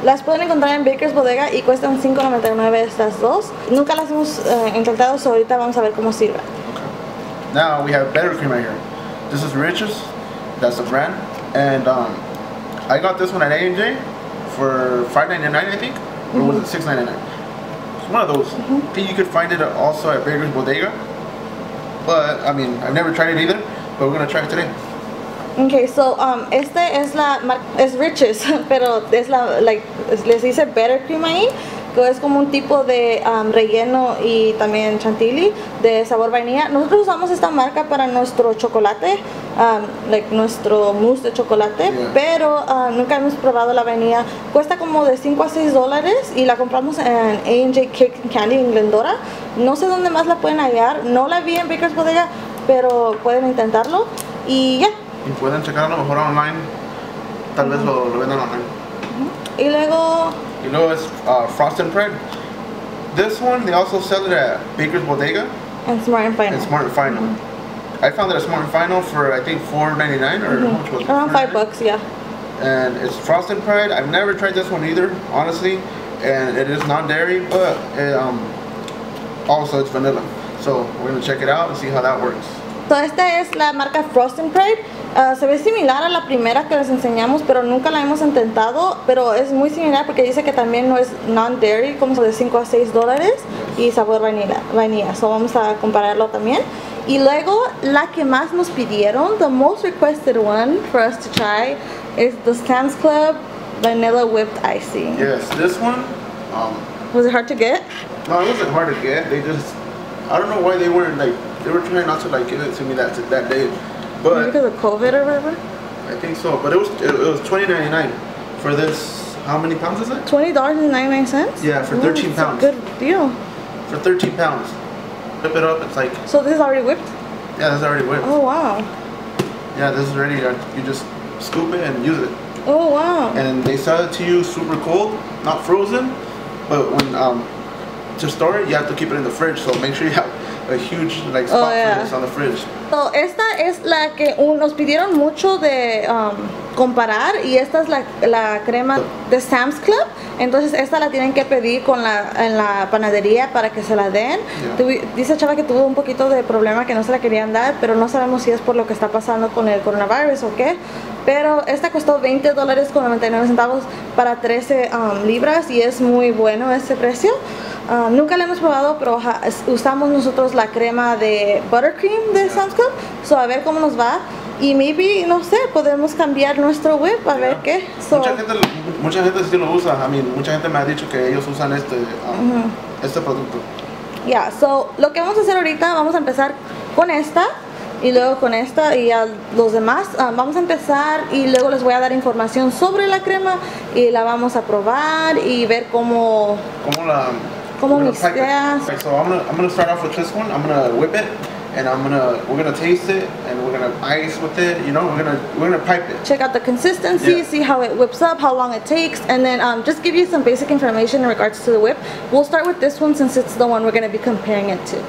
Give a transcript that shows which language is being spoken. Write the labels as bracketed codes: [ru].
[es] Las pueden encontrar en Baker's Bodega y cuestan $5.99 estas dos. Nunca las hemos intentado, so ahorita vamos a ver cómo sirve. [en] Okay. Now we have Bettercreme right here. This is Rich's. That's the brand. And I got this one at A&J for $5.99, I think. Mm-hmm. Or was it $6.99? It's one of those. Mm-hmm. I think you could find it also at Baker's Bodega. But, I mean, I've never tried it either, but we're going to try it today. [es] Okay, so este es la es Rich's, pero es la like les dice Bettercreme ahí, que es como un tipo de relleno y también chantilly de sabor vainilla. Nosotros usamos esta marca para nuestro chocolate, like nuestro mousse de chocolate, [en] yeah. [es] Pero nunca hemos probado la vainilla. Cuesta como de $5 a $6 y la compramos en A&J Cake and Candy en Glendora. No sé dónde más la pueden hallar. No la vi en Baker's Bodega, pero pueden intentarlo y ya. [en] Yeah. [es] Y pueden checar a lo mejor online, tal vez lo vendan online. Uh-huh. Y luego es Frostin Pride. [en] This one, they also sell it at Baker's Bodega. And Smart and Final. And Smart and Final. Uh-huh. I found it at Smart and Final for, I think, $4.99 or uh-huh. How much was it? Around $5, yeah. And it's Frostin Pride. I've never tried this one either, honestly. And it is non-dairy, but it, also it's vanilla. So we're gonna check it out and see how that works. [es] So esta es la marca Frostin Pride. Se ve similar a la primera que les enseñamos, pero nunca la hemos intentado. Pero es muy similar porque dice que también no es non-dairy, como de $5 a $6. y sabor vanilla. So vamos a compararlo también. Y luego, la que más nos pidieron, [en] the most requested one for us to try, is the Sam's Club Vanilla Whipped Icy. Yes, this one, was it hard to get? No, it wasn't hard to get. They just, I don't know why they weren't, like, they were trying not to, like, give it to me that day. But maybe because of COVID or whatever? I think so. But it was $20.99 for this. How many pounds is it? $20.99? Yeah, for 13 pounds. That's a good deal. For 13 pounds. Whip it up, it's like... So this is already whipped? Yeah, this is already whipped. Oh, wow. Yeah, this is ready. You just scoop it and use it. Oh, wow. And they sell it to you super cold, not frozen. But when to store it, you have to keep it in the fridge. So make sure you have a huge like spot for this on the fridge. [es] So esta es la que nos pidieron mucho de comparar. Y esta es la crema de Sam's Club. Entonces esta la tienen que pedir en la panadería para que se la den. [en] Yeah. [es] Dice Chava que tuvo un poquito de problema que no se la querían dar, pero no sabemos si es por lo que está pasando con el coronavirus o qué. Pero esta costó $20.99 para 13 libras y es muy bueno ese precio. Nunca la hemos probado, pero usamos nosotros la crema de Buttercream de Sam's Club. So a ver cómo nos va. Y maybe, no sé, podemos cambiar nuestro whip a ver qué. [en] So, [es] mucha gente sí lo usa. [en] I mean, [es] mucha gente me ha dicho que ellos usan este producto. Yeah, so lo que vamos a hacer ahorita, vamos a empezar con esta y luego con esta y a los demás. Vamos a empezar y luego les voy a dar información sobre la crema y la vamos a probar y ver cómo mixtea. [en] So I'm gonna start off with this one. I'm gonna whip it. And we're gonna taste it, and we're gonna ice with it. You know, we're gonna pipe it. Check out the consistency, see how it whips up, how long it takes, and then just give you some basic information in regards to the whip. We'll start with this one since it's the one we're gonna be comparing it to.